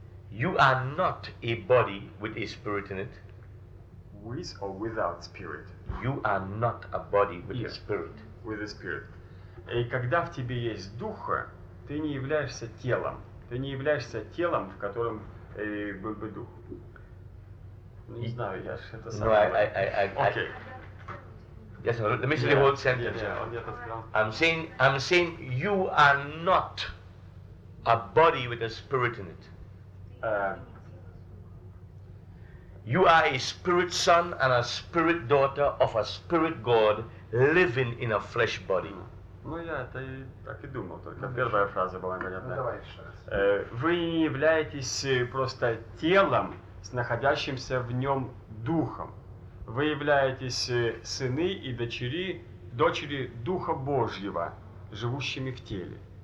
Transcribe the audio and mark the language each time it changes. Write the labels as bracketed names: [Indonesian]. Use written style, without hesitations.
[English] You are not a body with a spirit in it. With or without spirit. You are not a body with a spirit. With a spirit. [Russian] И когда в тебе есть дух, ты не являешься телом. Ты не являешься телом, в котором был бы дух. Не знаю, я же это сам. [English] No, okay. Yes, let me see the whole sentence. I'm saying you are not a body with a spirit in it. You are a spirit son and a spirit daughter of a spirit God living in a flesh body. [Russian] Ну, я это и так и думал, только первая фраза была понятная. Ну, давай еще раз. Вы не являетесь просто телом с находящимся в нем духом. Вы являетесь сыны и дочери Духа Божьего, живущими в теле.